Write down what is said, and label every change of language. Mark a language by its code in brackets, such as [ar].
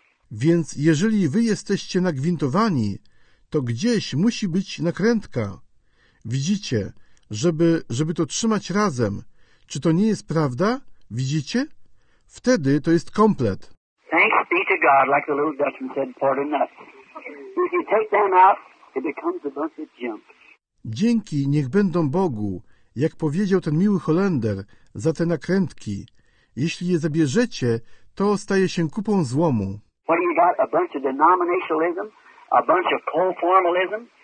[pl] Więc jeżeli wy jesteście nagwintowani, to gdzieś musi być nakrętka. Widzicie, żeby to trzymać razem. Czy to nie jest prawda? Widzicie? Wtedy to jest komplet. [en] Thanks be to God, like the little Dutchman said, part of nuts. If you take them out, it becomes a bunch of junk. [pl] Dzięki niech będą Bogu, jak powiedział ten miły Holender, za te nakrętki. Jeśli je zabierzecie, to staje się kupą złomu. [en] What do you got? A bunch of denominationalism? A bunch of conformalism?